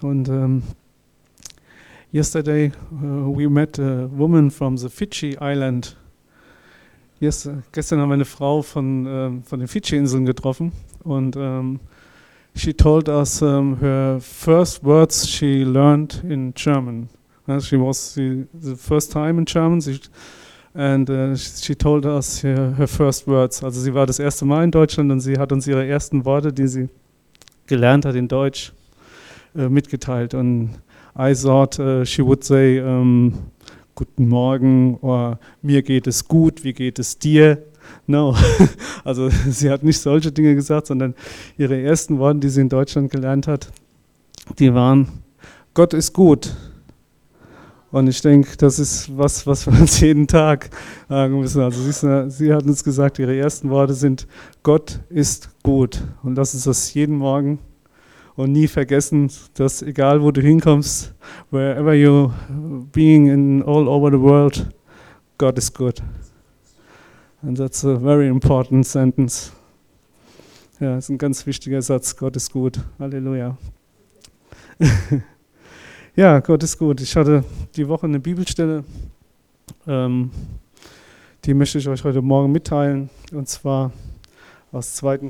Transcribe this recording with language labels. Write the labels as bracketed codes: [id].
[en] Und yesterday we met a woman from the Fiji Island. [de] Gestern haben wir eine Frau von den Fidschi-Inseln getroffen und [en] she told us her first words she learned in German. She was the first time in German. She told us her first words. [de] Also sie war das erste Mal in Deutschland und sie hat uns ihre ersten Worte, die sie gelernt hat in Deutsch, mitgeteilt. Und [en] I thought she would say, [de] guten Morgen, or mir geht es gut, wie geht es dir? No, also sie hat nicht solche Dinge gesagt, sondern ihre ersten Worte, die sie in Deutschland gelernt hat, die waren, Gott ist gut. Und ich denke, das ist was, was wir uns jeden Tag sagen müssen. Also sie hat uns gesagt, ihre ersten Worte sind, Gott ist gut. Und lass uns das jeden Morgen und nie vergessen, dass egal wo du hinkommst, [en] wherever you being in all over the world, God is good. And that's a very important sentence. [de] Ja, ist ein ganz wichtiger Satz, Gott ist gut. Halleluja. Ja, Gott ist gut. Ich hatte die Woche eine Bibelstelle, die möchte ich euch heute Morgen mitteilen, und zwar aus 2.